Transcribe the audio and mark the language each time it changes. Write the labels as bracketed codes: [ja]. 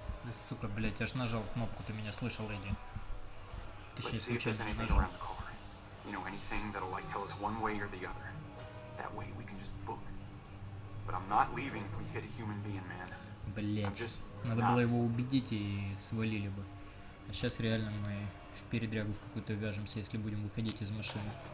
[ru] Сука, блять, я ж нажал кнопку, ты меня слышал, Эдди. Ты сейчас случайно нажал. [en] You know, anything that'll like tell us one way or the other. That way we can just book. But I'm not leaving if we hit a human being, man. [ru] Блять, надо было его убедить и свалили бы. А сейчас реально мы в передрягу в какую-то вяжемся, если будем выходить из машины.